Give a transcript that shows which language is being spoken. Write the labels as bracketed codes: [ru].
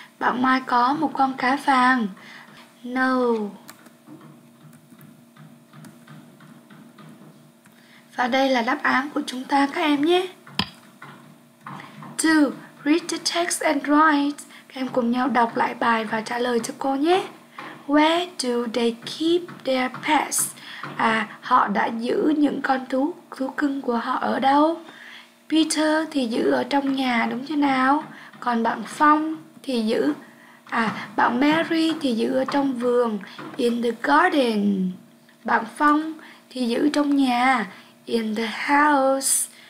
[vi] Bạn Mike có một con cá vàng. No. 5. Và đây là đáp án của chúng ta các em nhé. 2. [en] Read the text and write. [vi] Các em cùng nhau đọc lại bài và trả lời cho cô nhé. [en] Where do they keep their pets? [vi] Họ đã giữ những con thú cưng của họ ở đâu? Peter thì giữ ở trong nhà đúng chứ nào? Còn bạn Phong thì giữ bạn Mary thì giữ ở trong vườn, [en] in the garden. [vi] Bạn Phong thì giữ trong nhà, [en] in the house.